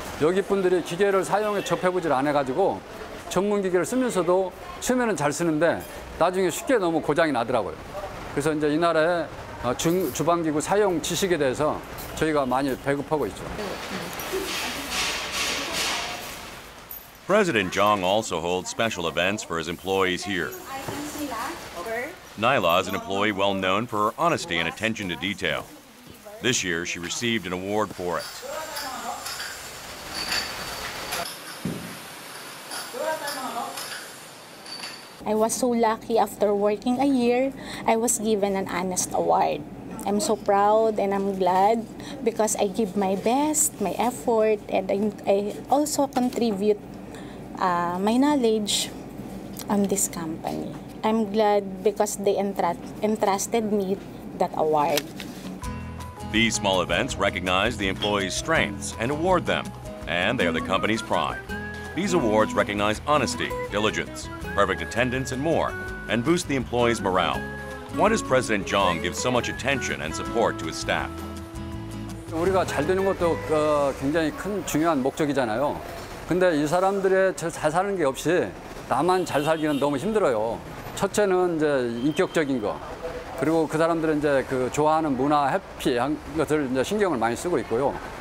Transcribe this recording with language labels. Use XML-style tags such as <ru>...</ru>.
<ko>여기 분들이 기계를 사용해 접해보질 않아가지고 전문 기계를 쓰면서도 처음에는 잘 쓰는데 나중에 쉽게 너무 고장이 나더라고요. 그래서 이제 이 나라에 주방기구 사용 지식에 대해서 저희가 많이 배급하고 있죠.</ko> <en>President Jang also holds special events for his employees here. Nyla is an employee well known for her honesty and attention to detail. This year, she received an award for it. I was so lucky after working a year, I was given an honest award. I'm so proud and I'm glad because I give my best, my effort, and I also contribute my knowledge on this company. I'm glad because they entrusted me that award. These small events recognize the employees' strengths and award them, and they are the company's pride. These awards recognize honesty, diligence, perfect attendance, and more, and boost the employees' morale. Why does President Jang give so much attention and support to his staff?</en> <ko>우리가 잘 되는 것도 굉장히 큰 중요한 목적이잖아요. 근데 이 사람들의 잘 사는 게 없이 나만 잘 살기는 너무 힘들어요. 첫째는 이제 인격적인 거, 그리고 그 사람들은 이제 그 좋아하는 문화 해피한 것을 이제 신경을 많이 쓰고 있고요.</ko>